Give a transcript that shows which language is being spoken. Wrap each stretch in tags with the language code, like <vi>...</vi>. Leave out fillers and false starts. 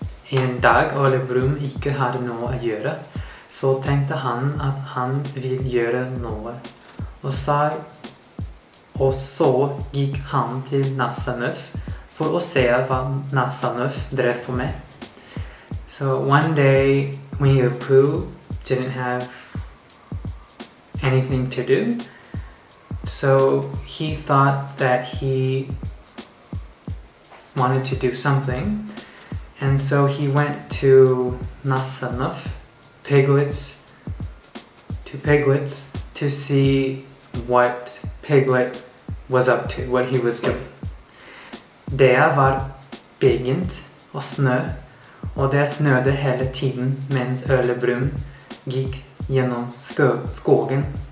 <no>En dag Ole Brum ikke har noe å gjøre. Så tenkte han at han ville gjøre noe, og så gikk han til Nassanuff for å se hva Nassanuff drev på med.</no> <en>So one day, Winnie the Pooh didn't have anything to do, so he thought that he wanted to do something, and so he went to Nassanuff. Piglets to see what Piglet was up to, what he was doing.</en> <no>Det var begynt å snø, og det snødde hele tiden mens Ole Brumm gikk gjennom skogen.</no>